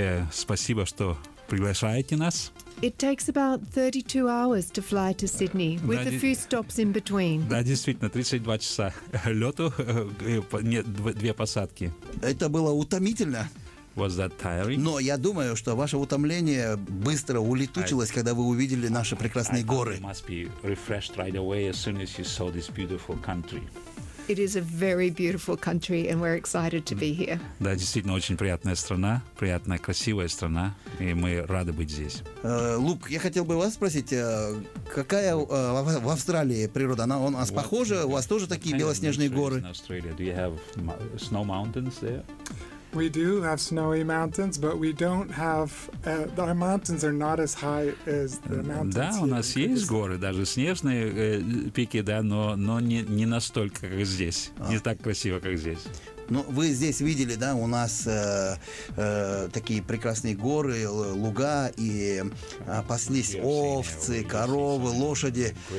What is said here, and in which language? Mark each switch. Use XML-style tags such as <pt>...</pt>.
<ru>Спасибо, что приглашаете нас.</ru> <en>It takes about 32 hours to fly to Sydney, with a few stops in between.</en> <ru>Да, действительно, 32 часа лету, нет, две посадки. Это было утомительно.</ru> <en>Was that tiring?</en> <ru>Но я думаю, что ваше утомление быстро улетучилось, когда вы увидели наши прекрасные горы.</ru> <en>You must be refreshed right away as soon as you saw this beautiful country. It is a very beautiful country, and we're excited to be here.</en> <ru>Да, действительно, очень приятная страна, приятная, красивая страна, и мы рады быть здесь. Лук, я хотел бы вас спросить, какая в Австралии природа? Она у нас похожа? У вас тоже такие белоснежные горы?</ru> <en>In Australia, do you have snow mountains there? We do have snowy mountains, but we don't have our mountains are not as high as the mountains.</en> <ru>Да,</ru> <en>here</en> <ru>у нас есть горы, даже снежные пики, да, но не настолько, как здесь. Не так красиво, как здесь. Ну, вы здесь видели, да, у нас такие прекрасные горы, луга, и паслись овцы, коровы, лошади.</ru>